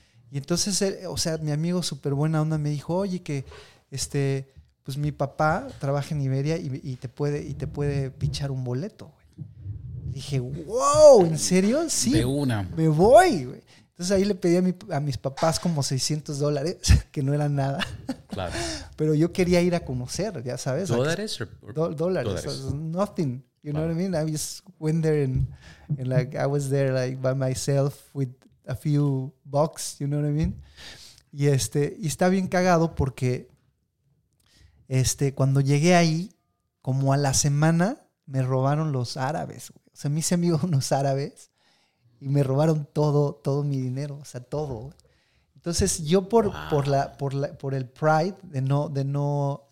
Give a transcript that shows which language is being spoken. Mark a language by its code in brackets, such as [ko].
[es] Y entonces, mi amigo súper buena onda me dijo, oye, que pues mi papá trabaja en Iberia y te puede pichar un boleto, güey. Dije, wow, ¿en serio? Sí. De una. Me voy, güey. Entonces ahí le pedí a mis papás como $600, que no era nada. Claro. Pero yo quería ir a conocer, ya sabes. ¿Dólares? Dólares. Dólares. [en] Nothing. You know what I mean? I just went there and like, I was there like by myself with a few bucks, you know what I mean? [es] Y y está bien cagado porque... cuando llegué ahí, como a la semana, me robaron los árabes, güey. O sea, me hice amigo de unos árabes y me robaron todo mi dinero, o sea, todo. Entonces, yo por el pride de no